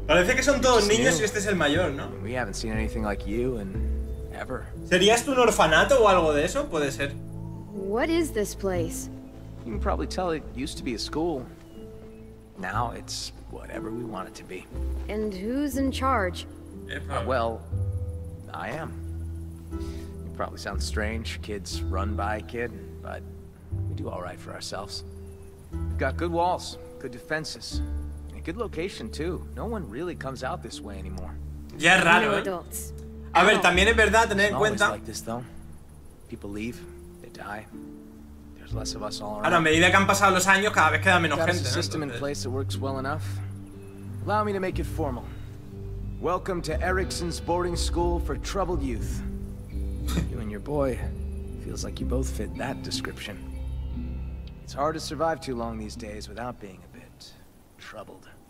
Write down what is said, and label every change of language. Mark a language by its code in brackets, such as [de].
[es] Parece que son todos niños y este es el mayor, ¿no? [en] We haven't seen anything like you in ever. [es] ¿Serías tú un orfanato o algo de eso? Puede ser. [en] What is this place? You can probably tell it used to be a school. Now it's whatever we want it to be. And who's in charge? Well, I am. You probably sound strange, kids run by a kid, but we do all right for ourselves. We've got good walls, good defenses, and a good location too. No one really comes out this way anymore. [es] Ya es raro, [en] adults. [es] A ver, también es verdad tener en cuenta. [en] Like this, though. People leave, they die. Less of us all around. [es] Ahora, a medida que han pasado los años, cada vez queda menos gente. [en] A system in place that works well enough. Allow me to make it formal. Welcome to Erickson's boarding school for troubled youth. You and your boy, feels like you both fit that description. It's hard to survive too long these days without being a bit troubled.